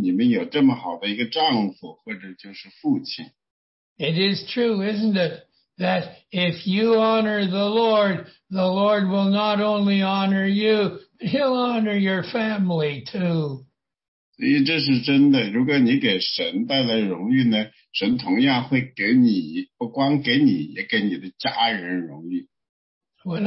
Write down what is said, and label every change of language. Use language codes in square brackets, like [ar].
[zh] 保罗他是如此的感谢这个阿尼瑟夫，尽管阿尼瑟夫去了天堂呢，他跟提摩太说，提摩太，你要去他家里的人，跟他的遗孀，或者跟他的儿子儿女说，啊，我非常感激你们有这么好的一个丈夫，或者就是父亲。 [en] It is true, isn't it, that if you honor the Lord will not only honor you, but he'll honor your family too. [zh] 所以这是真的，如果你给神带来荣誉呢，神同样会给你，不光给你，也给你的家人荣誉。 [en] When